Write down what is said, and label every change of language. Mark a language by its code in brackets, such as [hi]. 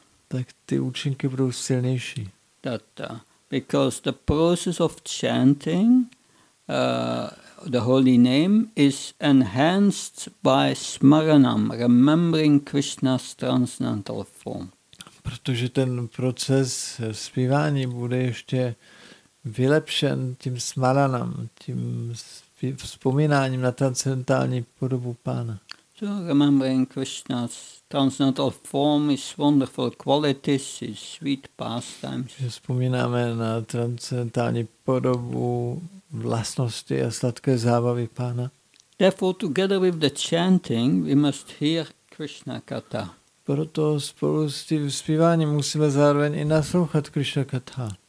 [cs] Tak ty účinky budou silnější. [en] Because the process of chanting the holy name is enhanced by smaranam, remembering Krishna's transcendental form. [cs] Protože ten proces zpívání bude ještě vylepšen tím smaranam, tím vzpomínáním na transcendentální podobu pána. [en] So remembering Krishna's transcendental form, his wonderful qualities, his sweet pastimes. [cs] Že vzpomínáme na transcendentální podobu, vlastnosti a sladké zábavy pána. [en] Therefore, together with the chanting, we must hear Krishna katha. [cs] Proto spolu s tím zpíváním musíme zároveň i naslouchat Krishna katha.